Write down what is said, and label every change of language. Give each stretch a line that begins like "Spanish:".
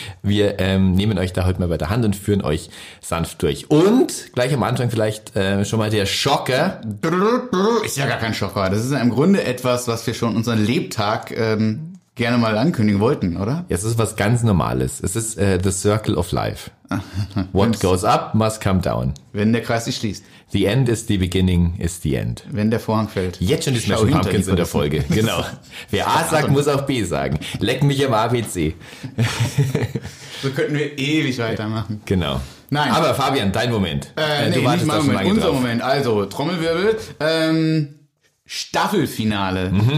German: Wir nehmen euch da heute mal bei der Hand und führen euch sanft durch. Und gleich am Anfang vielleicht schon mal der Schocker. Ist ja gar kein Schocker, das ist ja im Grunde etwas, was wir schon unseren Lebtag gerne mal ankündigen wollten, oder? Ja, es ist was ganz Normales. Es ist
English: the circle of life. What goes up must come down.
German: Wenn der Kreis sich schließt.
English: The end is the beginning is the end.
German: Wenn der Vorhang fällt. Jetzt schon die Smashing Pumpkins in der Folge. Genau. Wer A sagt, muss auch B sagen. Leck mich im ABC. So könnten wir ewig weitermachen. Genau. Nein. Aber Fabian, dein Moment. Unser Moment. Also, Trommelwirbel. Staffelfinale. Mhm.